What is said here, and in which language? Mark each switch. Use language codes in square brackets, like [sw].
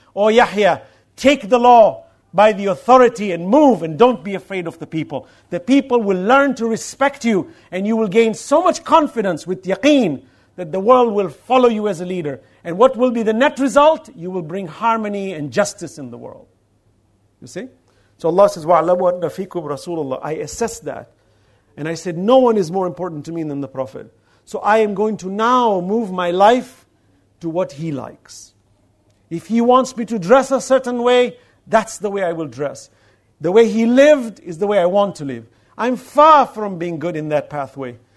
[en] Oh Yahya, take the law by the authority and move and don't be afraid of the people. The people will learn to respect you and you will gain so much confidence with yaqeen that the world will follow you as a leader. And what will be the net result? You will bring harmony and justice in the world. You see? So Allah says, [ar] وَعْلَمُوا أَنَّ فِيكُمْ رَسُولَ اللَّهِ. [en] I assess that. And I said, no one is more important to me than the Prophet. So I am going to now move my life to what he likes. If he wants me to dress a certain way, that's the way I will dress. The way he lived is the way I want to live. I'm far from being good in that pathway.